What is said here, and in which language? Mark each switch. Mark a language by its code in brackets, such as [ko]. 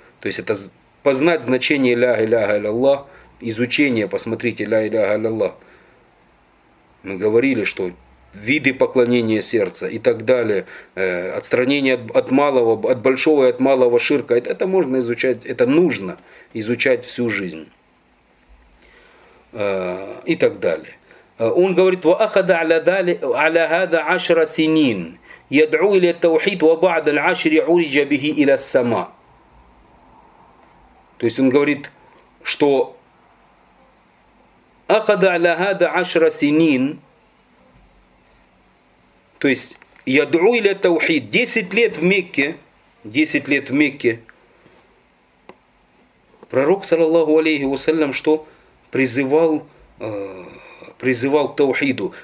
[ru] То есть это познать значение ля иляха илляллах, изучение, посмотрите, ля иляха илляллах. Мы говорили, что виды поклонения сердца и так далее, отстранение от малого, от большого и от малого ширка, это можно изучать, это нужно изучать всю жизнь. И так далее. Он говорит, [ar] وَأَخَدَ عَلَى هَذَا عَشْرَ سِنِينَ يَدْعُوا إِلَى التَّوْحِيدُ وَبَعْدَ الْعَشْرِ عُرِجَ بِهِ إِلَى السَّمَا. [ru] То есть он говорит, что [ar] أخذ على هذا عشر سنين, [ru] то есть [ar] يدعو إلى التوحيد, [ru] 10 лет в Мекке, 10 лет в Мекке, пророк саллаллаху алейхи ва саллям, что призывал, призывал к таухиду.